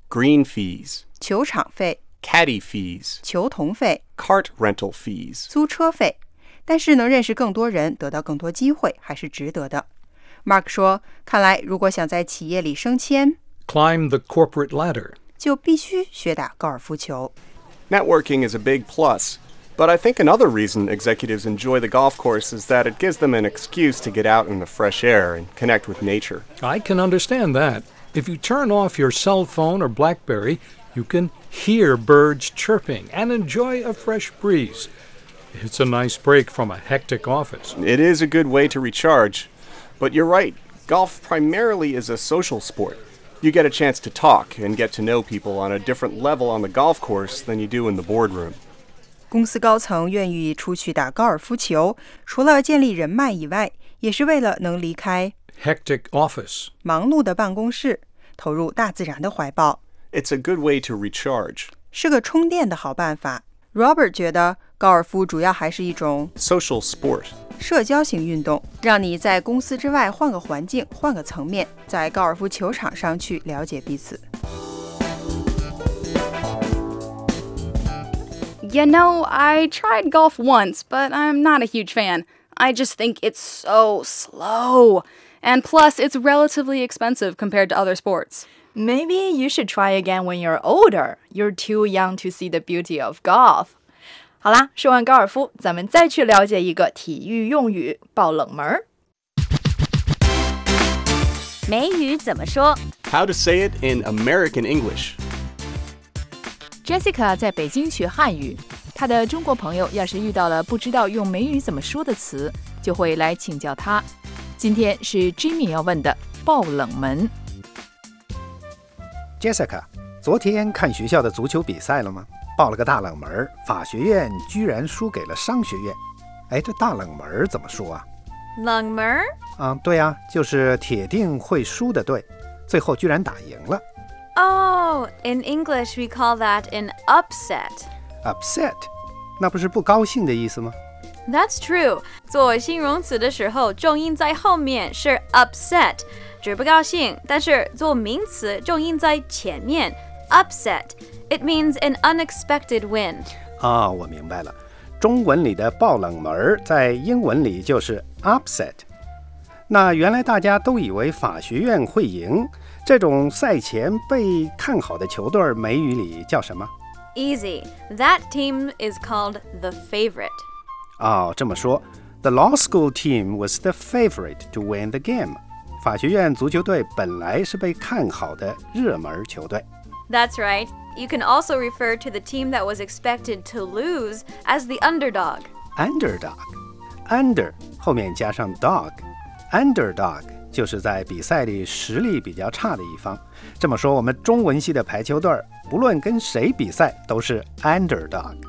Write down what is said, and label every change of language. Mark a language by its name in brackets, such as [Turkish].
[English] Green fees [Chinese] 球场费 [English] Caddy fees [Chinese] 球童费 [English] Cart rental fees [Chinese] 租车费 但是能认识更多人，得到更多机会，还是值得的。Mark说，看来如果想在企业里升迁， [English] Climb the corporate ladder. [Chinese] 就必须学打高尔夫球。Networking [English] is a big plus, but I think another reason executives enjoy the golf course is that it gives them an excuse to get out in the fresh air and connect with nature. I can understand that. If you turn off your cell phone or BlackBerry, you can hear birds chirping and enjoy a fresh breeze. It's a nice break from a hectic office. It is a good way to recharge. But you're right. Golf primarily is a social sport. You get a chance to talk and get to know people on a different level on the golf course than you do in the boardroom. [Chinese] 公司高层愿意出去打高尔夫球，除了建立人脉以外，也是为了能离开 [English] hectic office [Chinese] 忙碌的办公室，投入大自然的怀抱。 [English] It's a good way to recharge. [Chinese] 是个充电的好办法。Robert 觉得高尔夫主要还是一种 [English] social sport [Chinese] 社交型运动，让你在公司之外换个环境，换个层面，在高尔夫球场上去了解彼此。 [English] You know, I tried golf once, but I'm not a huge fan. I just think it's so slow. And plus, it's relatively expensive compared to other sports. Maybe you should try again when you're older. You're too young to see the beauty of golf. [Chinese] 好啦，说完高尔夫，咱们再去了解一个体育用语，爆冷门。美语怎么说？ [English] How to say it in American English. [Chinese] Jessica 在北京学汉语，她的中国朋友要是遇到了不知道用美语怎么说的词，就会来请教她。今天是 Jimmy 要问的，爆冷门。 Jessica, 昨天看学校的足球比赛了吗？爆了个大冷门，法学院居然输给了商学院。哎，这大冷门怎么说啊？冷门？对啊，就是铁定会输的队，最后居然打赢了。 [English] Oh, in English we call that an upset. Upset? [Chinese] 那不是不高兴的意思吗？ [English] That's true. [Chinese] 做形容词的时候，重音在后面是 upset, 指不高兴，但是做名词，重音在前面， upset. [English] It means an unexpected win. [Chinese] 我明白了。中文里的爆冷门在英文里就是 upset。那原来大家都以为法学院会赢，这种赛前被看好的球队美语里叫什么？ [English] Easy. That team is called the favorite. [Chinese] 这么说。 [English] The law school team was the favorite to win the game. [Chinese] 法学院足球队本来是被看好的热门球队。 [English] That's right. You can also refer to the team that was expected to lose as the underdog. [Chinese] Underdog. Under, 后面加上 dog. Underdog 就是在比赛里实力比较差的一方。这么说，我们中文系的排球队，不论跟谁比赛，都是 underdog.